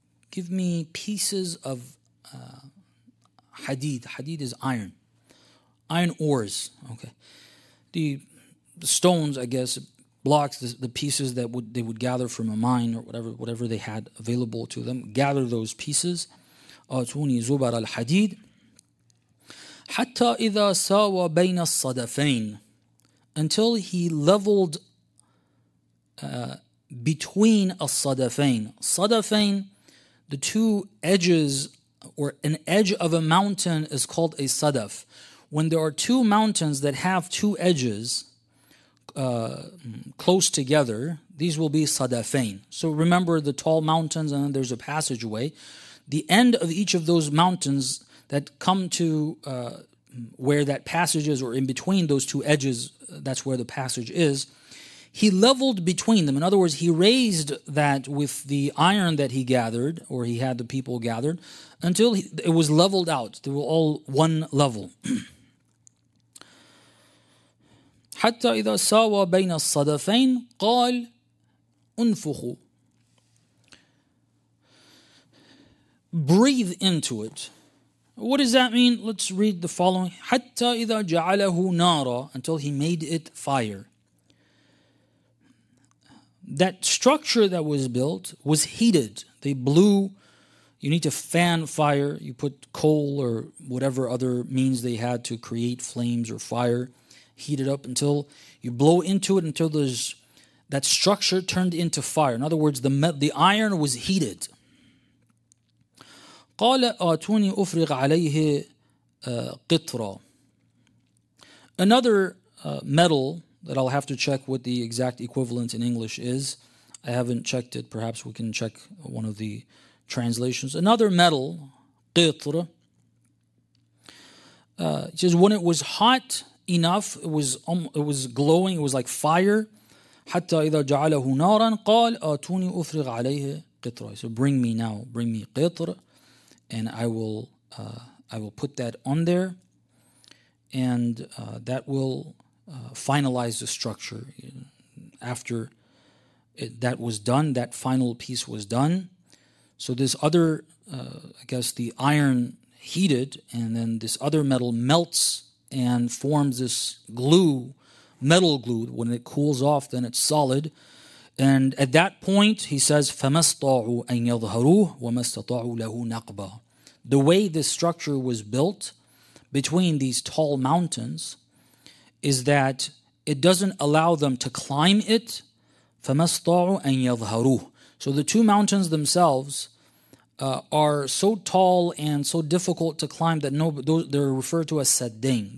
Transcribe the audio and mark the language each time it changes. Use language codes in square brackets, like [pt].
[en] Give me pieces of hadid. Hadid is iron. Iron ores. Okay. The stones, I guess, blocks, the pieces that they would gather from a mine or whatever they had available to them. Gather those pieces. [ar] "Atuni zubar al hadid." حتى إذا ساوى بين الصدفين, [en] until he leveled between [ar] الصدفين. [en] صدفين, the two edges or an edge of a mountain is called a sadaf. When there are two mountains that have two edges close together, these will be sadafain. So remember the tall mountains and then there's a passageway. The end of each of those mountains that come to where that passage is, or in between those two edges, that's where the passage is. He leveled between them. In other words, he raised that with the iron that he gathered, or he had the people gathered, until it was leveled out. They were all one level. [ar] حتى إذا ساوى بين الصدفين قال أنفخوا. [en] Breathe into it. What does that mean? Let's read the following. [ar] حتى إذا جعله نارا, [en] until he made it fire. That structure that was built was heated. They blew. You need to fan fire. You put coal or whatever other means they had to create flames or fire. Heat it up until you blow into it, until there's that structure turned into fire. In other words, the iron was heated. [ar] قال آتوني أفرغ عليه قطرة. [en] Another metal that I'll have to check what the exact equivalent in English is. I haven't checked it. Perhaps we can check one of the translations. Another metal, قطرة. It says when it was hot enough, it was glowing, it was like fire. [ar] حتى إذا جعله نارا قال آتوني أفرغ عليه قطرة. [en] So bring me now, bring me قطرة. And I will put that on there, and that will finalize the structure. After that was done, that final piece was done. So this other, I guess the iron heated, and then this other metal melts and forms this glue, metal glue. When it cools off, then it's solid. And at that point, he says, [ar] فَمَا اسْطَاعُوا أَنْ يَظْهَرُوهُ وَمَا اسْطَاعُوا لَهُ نَقْبًا. [en] The way this structure was built between these tall mountains is that it doesn't allow them to climb it. [ar] فَمَا اسْطَاعُوا أَنْ يَظْهَرُوهُ. [en] So the two mountains themselves are so tall and so difficult to climb that they're referred to as saddain.